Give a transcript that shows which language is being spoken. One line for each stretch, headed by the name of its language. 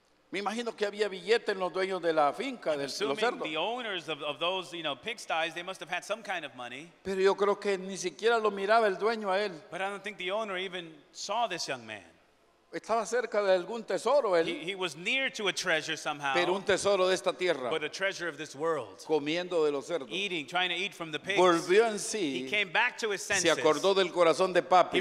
Spanish: Me imagino que había billetes en los dueños de la finca de los cerdos.
English: Assuming the owners of those, you know, pigsties, they must have had some kind of money.
Spanish: Pero yo creo que ni siquiera lo miraba el dueño a él.
English: But I don't think the owner even saw this young man.
Spanish: Estaba cerca de algún tesoro él.
English: He was near to a treasure somehow.
Spanish: Pero un tesoro de esta tierra.
English: But a treasure of this world.
Spanish: Comiendo de los cerdos.
English: Eating, trying to eat from the pigs.
Spanish: Volvió en sí.
English: He came back to his senses.
Spanish: Se acordó del corazón de papi.